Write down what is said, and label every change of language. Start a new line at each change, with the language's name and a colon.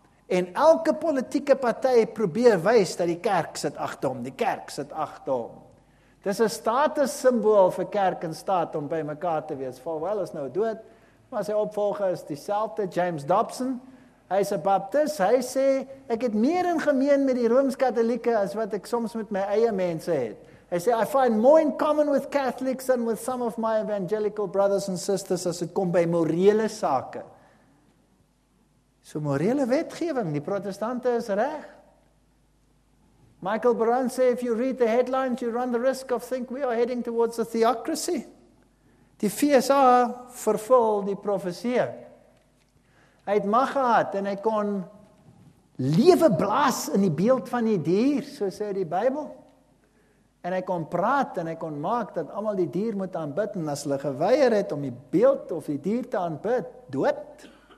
Afrikaans: En elke politieke partij probeer wys dat die kerk sit agter hom. Die kerk sit agter hom. Dis 'n status simbool vir kerk en staat om by mekaar te wees. Volwel is nou dood, maar sy opvolger is dieselfde, James Dobson. Hy is 'n baptist, hy sê, ek het meer in gemeen met die Rooms-Katolieke as wat ek soms met my eie mense het. Hy sê,
English: I find more in common with Catholics than with some of my evangelical brothers and sisters
Afrikaans: as het kom by morele sake. So morele wetgewing, die protestante is reg. Michael Baran sê,
English: if you read the headlines, you run the risk of think we are heading towards a theocracy.
Afrikaans: Die VSA vervul die profesie. Hy het mag gehad en hy kon lewe blaas in die beeld van die dier, so sê die Bybel. En hy kon praat en hy kon maak dat allemaal die dier moet aanbid en as hulle geweier het om die beeld of die dier te aanbid, dood.